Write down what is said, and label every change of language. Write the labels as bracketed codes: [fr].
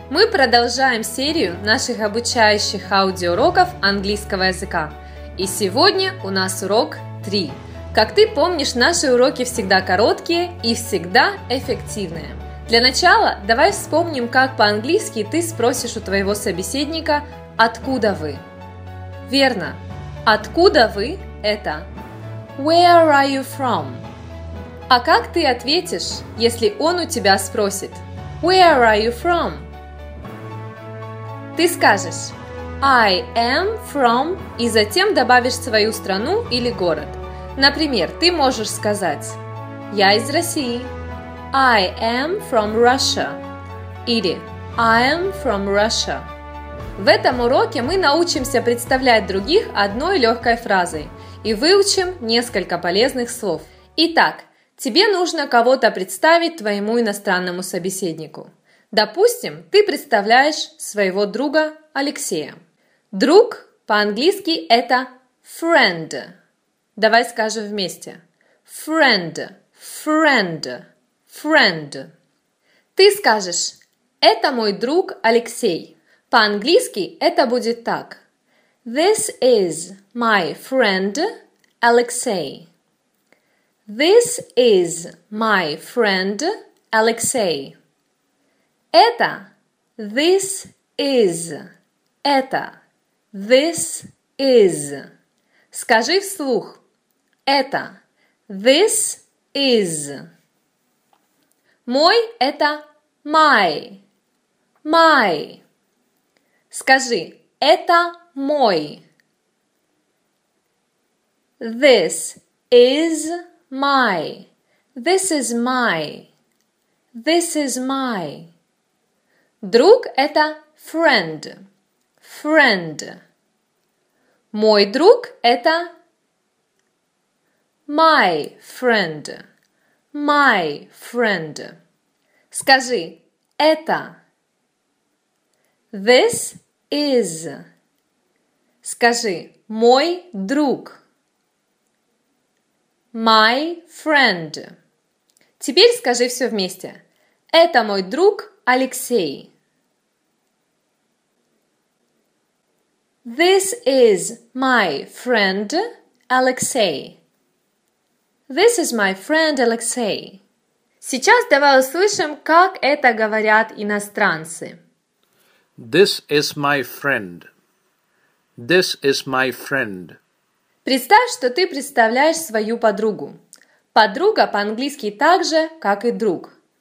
[ru] Мы продолжаем серию наших обучающих аудиоуроков английского языка. И сегодня у нас урок 3. Как ты помнишь, наши уроки всегда короткие и всегда эффективные. Для начала давай вспомним, как по-английски ты спросишь у твоего собеседника «Откуда вы?». Верно! «Откуда вы?» [en] – это «Where are you from?». [ru] А как ты ответишь, если он у тебя спросит? [en] Where are you from? [ru] Ты скажешь [en] I am from [ru] и затем добавишь свою страну или город. Например, ты можешь сказать Я из России. [en] I am from Russia. Или I am from Russia. [ru] В этом уроке мы научимся представлять других одной легкой фразой и выучим несколько полезных слов. Итак, тебе нужно кого-то представить твоему иностранному собеседнику. Допустим, ты представляешь своего друга Алексея. Друг по-английски это friend. Давай скажем вместе. [en] Friend, friend, friend. [ru] Ты скажешь, это мой друг Алексей. По-английски это будет так. [en] This is my friend Alexei. This is my friend Alexei. Это, this is, это, this is. [ru] Скажи вслух, это, [en] this is. [ru] Мой, это [en] my, my. [ru] Скажи, это мой. [en] This is my, this is my, this is my. [ru] Друг – это [en] friend, friend. [ru] Мой друг – это [en] my friend, my friend. [ru] Скажи «это». [en] This is. [ru] Скажи «мой друг». [en] My friend. [ru] Теперь скажи все вместе. Это мой друг Алексей. [en] This is my friend Alexei. This is my friend Alexei. [ru] Сейчас давай услышим, как это говорят иностранцы. [en] This is my friend. This is my friend. [ru] Представь, что ты представляешь свою подругу. Подруга по-английски так же, как и друг.